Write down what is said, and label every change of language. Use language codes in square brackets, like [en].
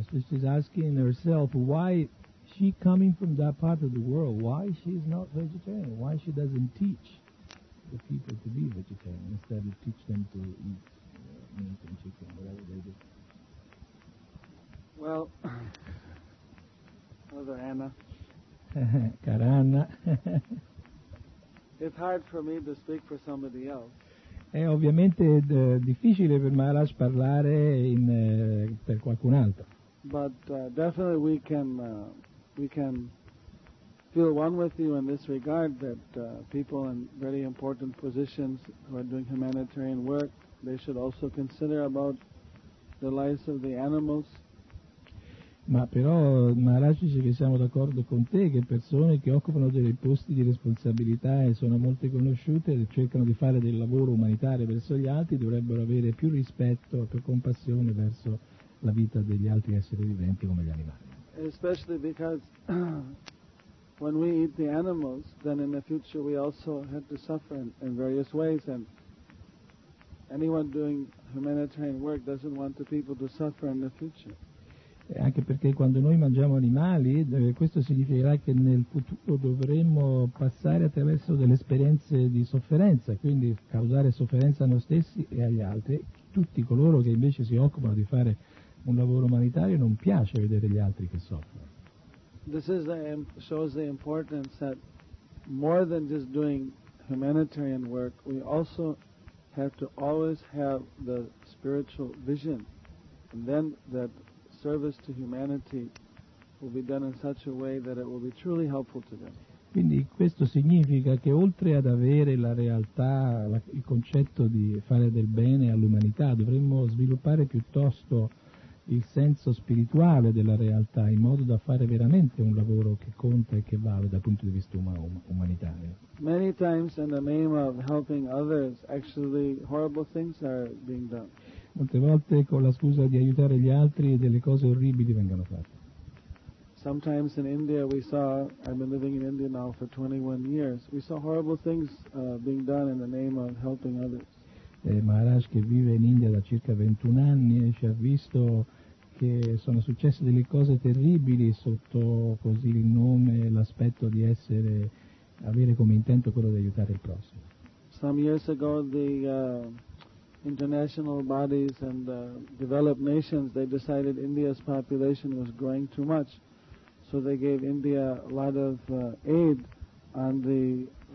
[en] So she's asking herself why she, coming from that part of the world, why she's not vegetarian, why she doesn't teach the people to be vegetarian instead of teach them to eat meat and chicken, whatever they do. Well, Mother Anna. [it] Cara Anna. [en] It's hard for me to speak for somebody else. [it] È ovviamente difficile per Maharaj parlare in, per qualcun altro. [en] But definitely we can feel one with you in this regard that people in very important positions who are doing humanitarian work, they should also consider about the lives of the animals. [it] Ma però Maharaj dice che siamo d'accordo con te, che persone che occupano dei posti di responsabilità e sono molto conosciute e cercano di fare del lavoro umanitario verso gli altri dovrebbero avere più rispetto e più compassione verso la vita degli altri esseri viventi come gli animali. [en] Especially because when we eat the animals, then in the future we also have to suffer in various ways, and anyone doing humanitarian work doesn't want the people to suffer in the future. [it] Anche perché quando noi mangiamo animali, questo significherà che nel futuro dovremmo passare attraverso delle esperienze di sofferenza, quindi causare sofferenza a noi stessi e agli altri. Tutti coloro che invece si occupano di fare un lavoro umanitario non piace vedere gli altri che soffrono. [en] This is shows the importance that more than just doing humanitarian work, we also have to always have the spiritual vision, and then that service to humanity will be done in such a way that it will be truly helpful to them. [it] Quindi questo significa che oltre ad avere la realtà, il concetto di fare del bene all'umanità, dovremmo sviluppare piuttosto il senso spirituale della realtà in modo da fare veramente un lavoro che conta e che vale dal punto di vista umanitario. [en] Many times in the name of helping others, actually horrible things are being done. [it] Molte volte con la scusa di aiutare gli altri delle cose orribili vengono fatte. [en] Sometimes in India we saw, I've been living in India now for 21 years, we saw horrible things being done in the name of helping others. [it] Maharaj, che vive in India da circa 21 anni, ci ha visto che sono successe delle cose terribili sotto così il nome, l'aspetto di essere, avere come intento quello di aiutare il prossimo. [en] Some years ago the international bodies and developed nations, they decided India's population was growing too much, so they gave India a lot of aid on the